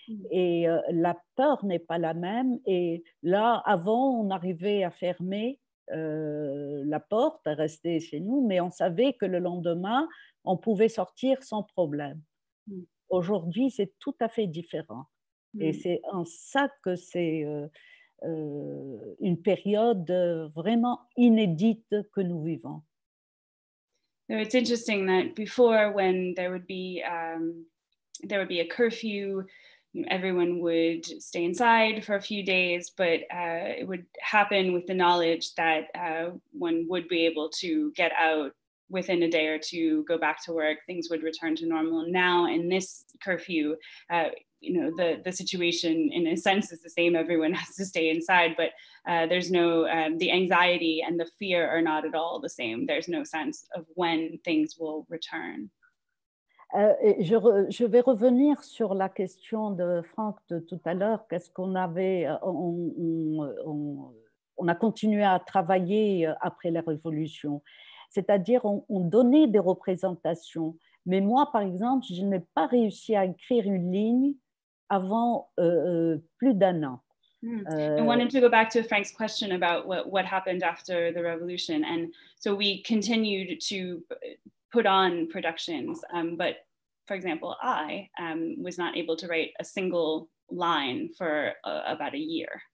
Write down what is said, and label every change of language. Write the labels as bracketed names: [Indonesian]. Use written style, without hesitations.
[French] Et la peur n'est pas la même. Et là, avant, on arrivait à fermer la porte, à rester chez nous, mais on savait que le lendemain, on pouvait sortir sans problème. Aujourd'hui, c'est tout à fait différent. Et c'est en ça que c'est une période vraiment inédite que nous vivons. [English] So it's interesting that before, when there would be a curfew, everyone would stay inside for a few days, but it would happen with the knowledge that one would be able to get out within a day or two, go back to work, things would return to normal. Now in this curfew, the situation in a sense is the same, everyone has to stay inside, but there's no, the anxiety and the fear are not at all the same. There's no sense of when things will return. [French] Je vais revenir sur la question de Franck de tout à l'heure. Qu'est-ce qu'on avait, on a continué à travailler après la Révolution. C'est-à-dire, on donnait des représentations. Mais moi, par exemple, je n'ai pas réussi à écrire une ligne avant plus d'un an. [English] I wanted to go back to Frank's question about what happened after the Revolution. And so we continued to put on productions, but for example, I was not able to write a single line for about a year.